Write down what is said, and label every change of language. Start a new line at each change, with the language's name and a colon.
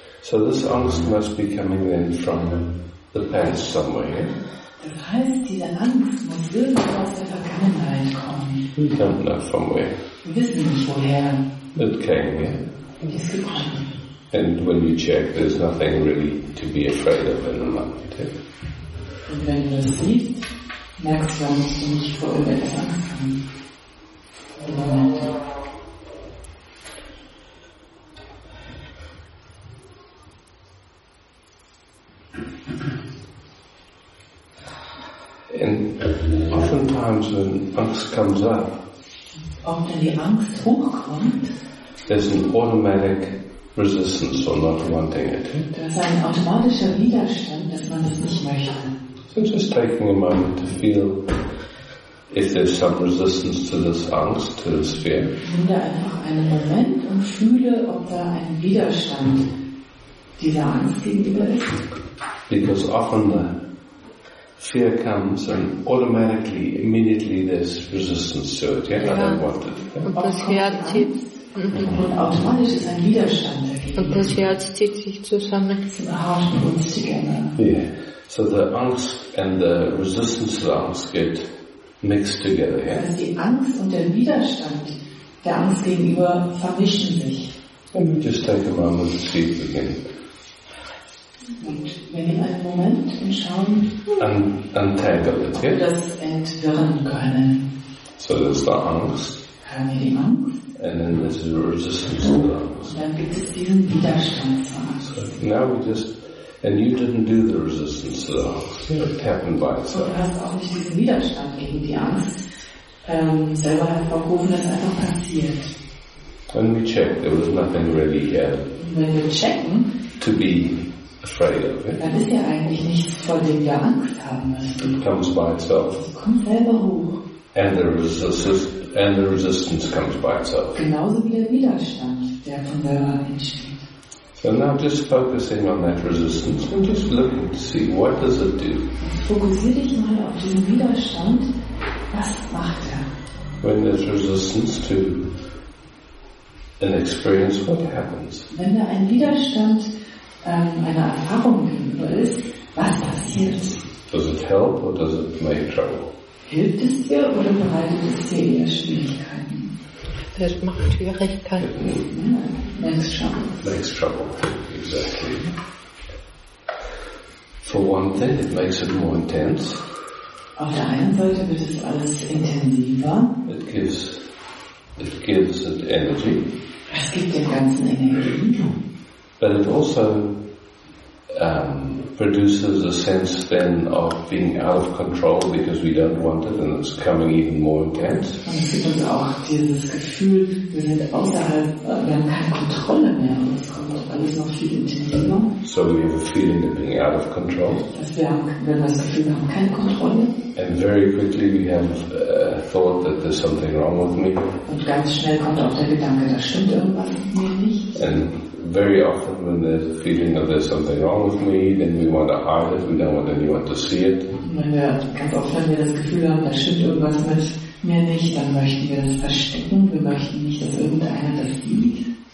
English: So this angst must be coming then from the past somewhere.
German: Das heißt, diese Angst muss irgendwo aus der Vergangenheit kommen.
English: We don't know from where.
German: Wir wissen nicht woher.
English: It came, yeah.
German: Und ist gekommen.
English: And when you check, there's nothing really to be afraid of in the moment. Eh?
German: Und wenn du das siehst, merkst du, dass du nicht vor irgendetwas Angst haben.
English: And oftentimes when angst comes up,
German: auch wenn die Angst hochkommt,
English: there's an automatic resistance or not wanting it.
German: Das ist ein automatischer Widerstand, dass man das nicht möchte.
English: So just taking a moment to feel if there's some resistance to this angst, to this fear.
German: Nimm da einfach einen Moment und fühle, ob da ein Widerstand dieser Angst gegenüber ist.
English: Because often the fear comes and automatically, immediately there's resistance to it. Yeah, ja. I don't want it. Yeah.
German: Und automatisch ist ein Widerstand dagegen. Und das Herz zieht sich zusammen. Zum Erhaschen und
English: together. Yeah. So the angst and the resistance to the angst get mixed together, yeah?
German: Also die Angst und der Widerstand der Angst gegenüber vermischen sich.
English: And we just take a moment to see it again.
German: Und wir nehmen einen Moment und schauen,
English: untangle it, yeah?
German: Das entwirren können.
English: So there's the angst.
German: Haben wir die Angst?
English: And then there's a resistance to the so now we just, and you didn't do the resistance to the angst. Yeah. It happened by itself.
German: Du hast auch nicht diesen Widerstand gegen die Angst selber hervorgerufen, das ist einfach passiert.
English: When we checked, there was nothing really here.
German: Wenn wir checken,
English: to be afraid of it.
German: Dann ist ja eigentlich nichts, vor dem wir Angst haben müssen.
English: It comes by itself.
German: Es kommt selber hoch.
English: And the resistance. And the resistance comes by itself.
German: Genauso wie der Widerstand, der von selber entsteht.
English: So now just focusing on that resistance and just looking to see what does it do.
German: Fokussiere dich mal auf diesen Widerstand. Was macht er?
English: When there's resistance to an experience, what happens?
German: Wenn da ein Widerstand einer Erfahrung gegenüber ist, was passiert?
English: Does it help or does it make trouble?
German: Hilft es dir oder bereitet es dir eher Schwierigkeiten? Das macht Schwierigkeiten.
English: Makes trouble. Makes trouble, exactly. For one thing, it makes it more intense.
German: Auf der einen Seite wird es alles intensiver.
English: It gives it energy.
German: Es gibt dem ganzen Energie.
English: But it also produces a sense then of being out of control because we don't want it and it's coming even more intense.
German: Und es gibt uns auch dieses Gefühl, wir sind außerhalb, wir haben keine Kontrolle mehr und es kommt alles noch viel intensiver.
English: So we have a feeling of being out of control.
German: Wir haben das Gefühl, wir haben keine Kontrolle.
English: And very quickly we have thought that there's something wrong with me.
German: Und ganz schnell kommt auch der Gedanke, da stimmt irgendwas mit mir nicht.
English: And very often when there's a feeling that there's something wrong with me, then we want to hide it, we don't want anyone to see it.
German: Ganz oft, wenn wir das Gefühl haben, da stimmt irgendwas mit mir nicht, dann möchten wir das verstecken, wir möchten nicht, dass irgendeiner das sieht.